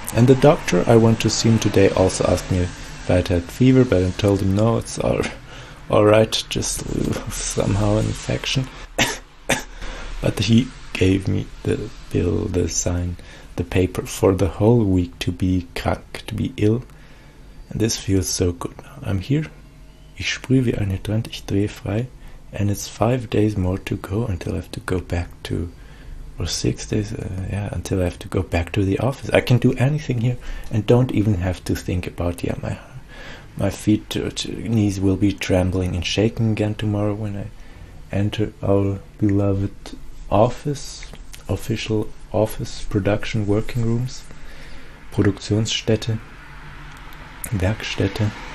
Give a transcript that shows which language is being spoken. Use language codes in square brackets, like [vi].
[en] And the doctor I went to see him today also asked me if I'd had fever, but I told him no, it's all right, just somehow an infection. But he gave me the bill, the sign, the paper for the whole week to be krank, to be ill. And this feels so good. I'm here. [de] Ich sprühe wie eine Trend, ich drehe frei. [en] And it's 5 days more to go until I have to go back to, or 6 days, until I have to go back to the office. I can do anything here and don't even have to think about, yeah, my feet, knees will be trembling and shaking again tomorrow when I enter our beloved office, official office, production working rooms, [de] Produktionsstätte, Werkstätte.